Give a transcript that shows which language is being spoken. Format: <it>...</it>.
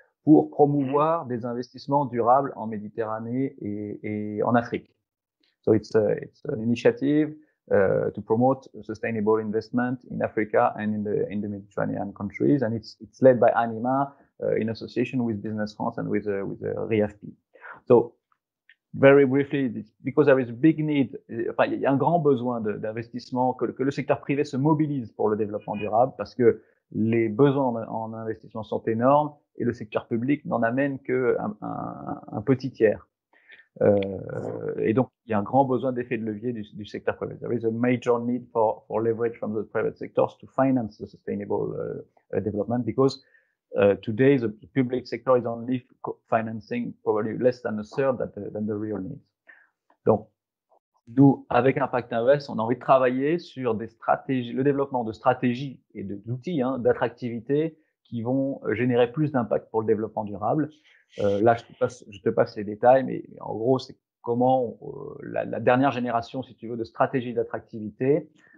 <fr>Pour promouvoir des investissements durables en Méditerranée et en Afrique.</fr> <en>So it's an initiative to promote sustainable investment in Africa and in the Mediterranean countries, and it's led by Anima in association with Business France and with the RIAFP. So very briefly, because there is a big need,</en> <fr>enfin, il y a un grand besoin d'investissement que le secteur privé se mobilise pour le développement durable, parce que les besoins en investissement sont énormes. Et le secteur public n'en amène qu'un petit tiers. Et donc, il y a un grand besoin d'effet de levier du secteur privé.</fr> <en>There is a major need for leverage from the private sectors to finance the sustainable development, because today the public sector is only financing probably less than a third than the real needs.</en> <fr>Donc, nous, avec Impact Invest, on a envie de travailler sur des stratégies, le développement de stratégies et d'outils, hein, d'attractivité, qui vont générer plus d'impact pour le développement durable. Là, je te passe les détails, mais en gros, c'est comment la dernière génération, si tu veux, de stratégie d'attractivité,</fr>